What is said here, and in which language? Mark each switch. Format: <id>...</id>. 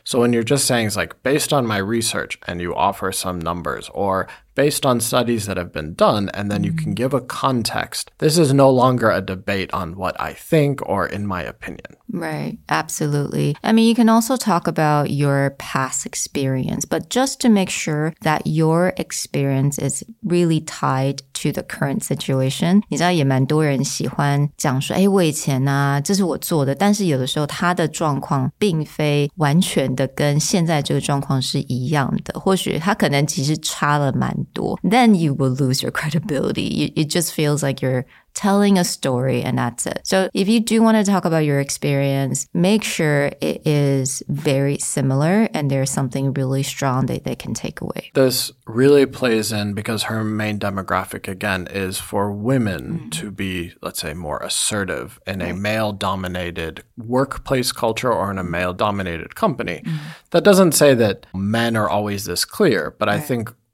<en>So when you're just saying it's like, based on my research, and you offer some numbers, or based on studies that have been done, and then you can give a context, this is no longer a debate on what I think or in my opinion. Right, absolutely. I mean, you can also talk about your past experience, but just to make sure that your experience is really tied to the current situation.</en> <zh>你知道也蛮多人喜欢讲说，哎，我以前啊，这是我做的，但是有的时候他的状况并非完全的跟现在这个状况是一样的，或许他可能其实差了蛮多。</zh> <en>Then you will lose your credibility. It just feels like you're telling a story and that's it. So if you do want to talk about your experience, make sure it is very similar and there's something really strong that they can take away. This really plays in because her main demographic, again, is for women to be, let's say, more assertive in a male-dominated workplace culture or in a male-dominated company. That doesn't say that men are always this clear, but I think</en>